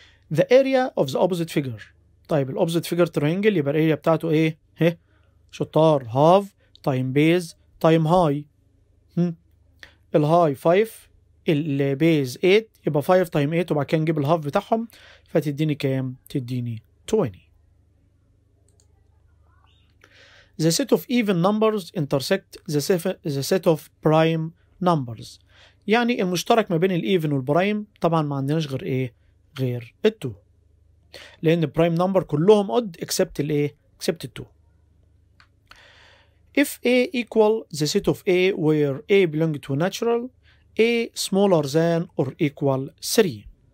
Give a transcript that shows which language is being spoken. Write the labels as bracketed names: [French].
[English] The area of the opposite figure، [Arabic] طيب الاوبوزيت فيجر ترينجل، يبقى الاريا بتاعته ايه؟ هي شطار، هاف تايم بيز تايم هاي، الهاي 5 البيز 8، يبقى 5 تايم 8 وبعد كده نجيب الهاف بتاعهم فتديني كام؟ تديني 20. [English] The set of even numbers intersect the set of prime numbers. [Arabic] يعني المشترك ما بين الايفن والبرايم طبعا ما عندناش غير ايه؟ غير التو. لان البرايم نمبر كلهم odd except الايه؟ except التو. [English] If A equal the set of A where A belong to natural, A smaller than or equal 3.